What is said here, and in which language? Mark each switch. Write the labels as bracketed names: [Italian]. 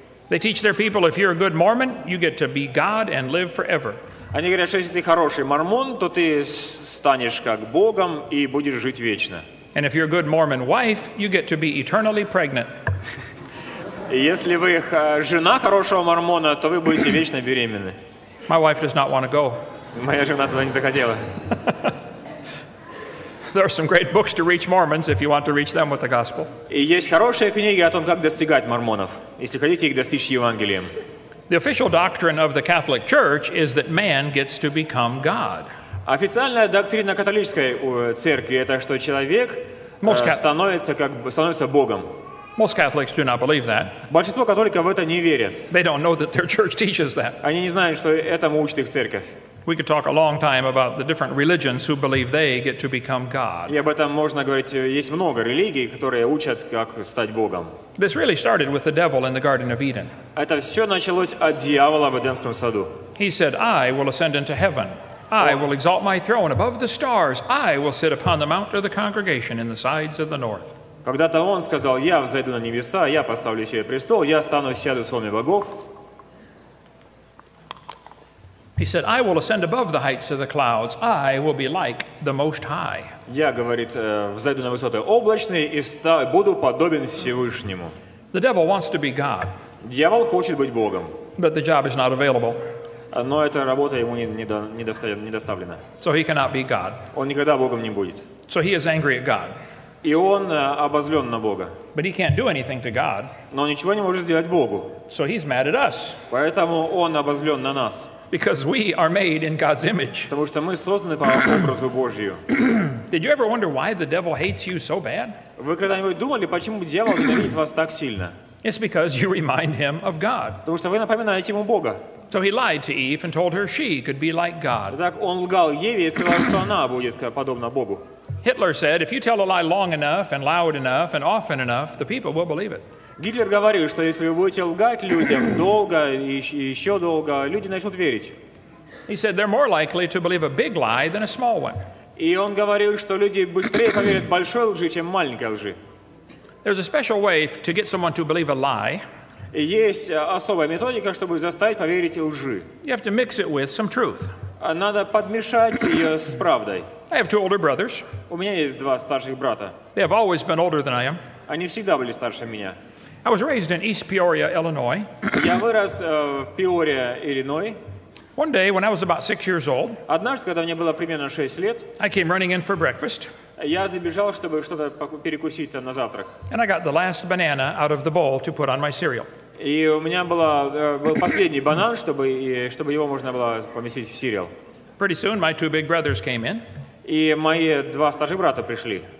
[English] They teach their people if you're a good Mormon, you get to be God and live forever. [Russian] Они говорят, что если ты хороший мормон, то ты станешь как Богом и будешь жить вечно. [English] And if you're a good Mormon wife, you get to be eternally pregnant. [Russian] Если вы жена хорошего мормона, то вы будете вечно беременны. [English] My wife does not want to go. [Russian] Моя жена туда не захотела. [English] There are some great books to reach Mormons if you want to reach them with the gospel. [Russian] И есть хорошие книги о том, как достигать мормонов, если хотите их достичь Евангелием. [English] The official doctrine of the Catholic Church is that man gets to become God. [Russian] Официальная доктрина католической церкви это что человек становится Богом. [English] Most Catholics do not believe that. [Russian] Большинство католиков в это не верят. [English] They don't know that their church teaches that. [Russian] Они не знают, что этому учит их церковь. [English] We could talk a long time about the different religions who believe they get to become God. [Russian] И об этом можно говорить. Есть много религий, которые учат, как стать Богом. [English] This really started with the devil in the Garden of Eden. [Russian] Это все началось от дьявола в Эдемском саду. [English] He said, "I will ascend into heaven. I will exalt my throne above the stars. I will sit upon the mount of the congregation in the sides of the north." [Russian] Когда-то он сказал, "Я взойду на небеса, я поставлю себе престол, я стану сяду в солнце богов." [English] He said, "I will ascend above the heights of the clouds. I will be like the Most High." [Russian] Я говорит, взойду на высоты облачные и буду подобен Всевышнему. [English] The devil wants to be God. [Russian] Дьявол хочет быть Богом. [English] But the job is not available. [Russian] Но эта работа ему не доставлена. [English] So he cannot be God. [Russian] Он никогда Богом не будет. [English] So he is angry at God. [Russian] И он обозлен на Бога. [English] But he can't do anything to God. [Russian] Но ничего не может сделать Богу. [English] So he's mad at us. [Russian] Поэтому он обозлен на нас. [English] Because we are made in God's image. [Russian] Потому что мы созданы по образу Божию. [English] Did you ever wonder why the devil hates you so bad? [Russian] Вы когда-нибудь думали, почему дьявол ненавидит вас так сильно? [English] It's because you remind him of God. [Russian] Потому что вы напоминаете ему Бога. [English] So he lied to Eve and told her she could be like God. [Russian] Так он лгал Еве и сказал, что она будет подобна Богу. [English] Hitler said, if you tell a lie long enough and loud enough and often enough, the people will believe it. [Russian] Гитлер говорил, что если вы будете лгать людям долго и еще долго, люди начнут верить. [English] He said they're more likely to believe a big lie than a small one. [Russian] И он говорил, что люди быстрее поверят большой лжи, чем маленькой лжи. [English] There's a special way to get someone to believe a lie. [Russian] Есть особая методика, чтобы заставить поверить лжи. [English] You have to mix it with some truth. [Russian] надо подмешать ее с правдой. [English] I have two older brothers. [Russian] У меня есть два старших брата. [English] They have always been older than I am. [Russian] Они всегда были старше меня. [English] I was raised in East Peoria, Illinois. [Russian] Я вырос в Пеория, Иллинойс. [English] One day, when I was about 6 years old, [Russian] однажды, когда мне было примерно 6 лет, [English] I came running in for breakfast. [Russian] Я забежал, чтобы что-то перекусить на завтрак. [English] And I got the last banana out of the bowl to put on my cereal. [Russian] И у меня был последний банан, чтобы его можно было поместить в сериал. [English] Pretty soon, my two big brothers came in. [Russian] И мои два старших брата пришли.